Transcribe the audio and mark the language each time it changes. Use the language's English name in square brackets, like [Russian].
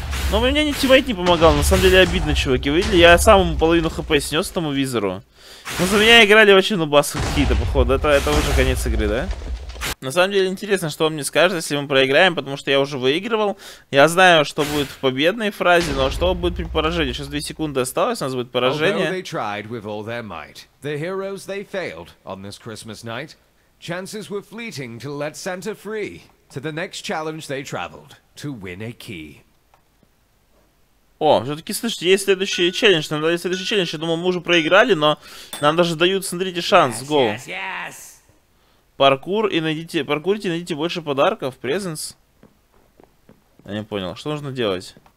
[Russian] Но мне ни тиммейт не помогал, на самом деле обидно, чуваки, видели? Я сам ему половину хп снес тому визору. Но за меня играли вообще нубасы какие-то, походу, это уже конец игры, да? На самом деле интересно, что он мне скажет, если мы проиграем, потому что я уже выигрывал. Я знаю, что будет в победной фразе, но что будет при поражении? Сейчас 2 секунды осталось, у нас будет поражение. [English] Although they tried with all their might, the heroes they failed on this Christmas night, chances were fleeting to let Santa free to the next challenge they traveled to win a key. [Russian] О, все-таки, слышите, есть следующий челлендж. Нам дали следующий челлендж. Я думал, мы уже проиграли, но нам даже дают, смотрите, шанс. Go. Паркур и найдите... Паркурите и найдите больше подарков. Презенс. Я не понял. Что нужно делать?